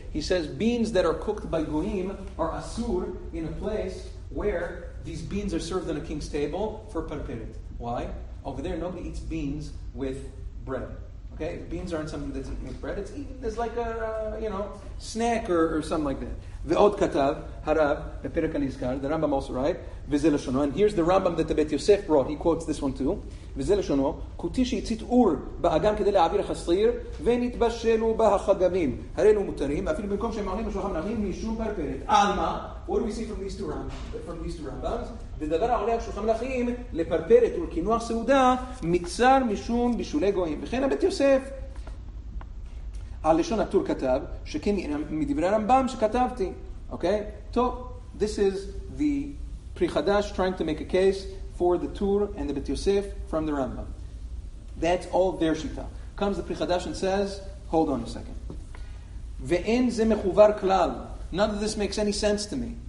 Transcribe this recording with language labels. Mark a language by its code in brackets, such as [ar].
[en] He says beans that are cooked by goyim are asur in a place where these beans are served on a king's table for parperet. Why? Over there nobody eats beans with bread. Okay, beans aren't something that's eaten with bread. It's eaten as like a snack or something like that. [he] Ve'od katav harav beperek aniskar. [en] The Rambam also right. [he] Ve'zelashono. [en] And here's the Rambam that the Bet Yosef brought. He quotes this one too. [he] וזה לשונו, כותי שיצית אור באגם כדי להעביר חסריר, ונתבשלו בה החגבים. הרי אלו מותרים, אפילו במקום שהם עולים בשולחן מלאכים משום פרפרת. [en] אלמה, what do we see from these two Rambams? [he] ודבר העולה על שולחן מלאכים לפרפרת ולכינוח סעודה, מצר משום בשולי גויים. וכן הבית יוסף. על לשון הטור כתב, שכן מדברי הרמב״ם שכתבתי. אוקיי? [en] טוב, this is the Pri Chadash trying to make a case for the Tur and the Bet Yosef from the Rambam. That's all their shita. Comes the Pri Chadash and says, hold on a second. Ve'en ze mechuvar klal. None of this makes any sense to me.